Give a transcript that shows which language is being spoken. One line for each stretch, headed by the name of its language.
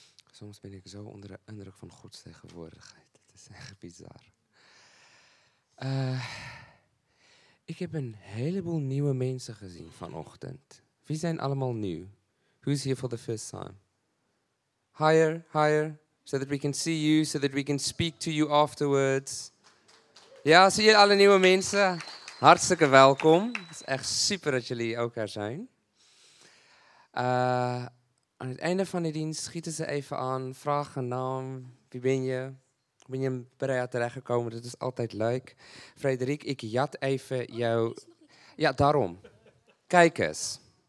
Dutch: Soms ben ik zo onder de indruk van Gods tegenwoordigheid. Het is echt bizar. Ik heb een heleboel nieuwe mensen gezien vanochtend. Wie zijn allemaal nieuw?
English: Who's here for the first time? Higher, higher. So that we can see you, so that we can speak to you afterwards.
Dutch: Ja, zie je alle nieuwe mensen? Hartstikke welkom. Het is echt super dat jullie ook er zijn. Aan het einde van de dienst schieten ze even aan, vragen een naam, wie ben je? Ben je in Berea terechtgekomen? Dat is altijd leuk. Frederik, ik jat even jou. Ja, daarom. Kijk eens.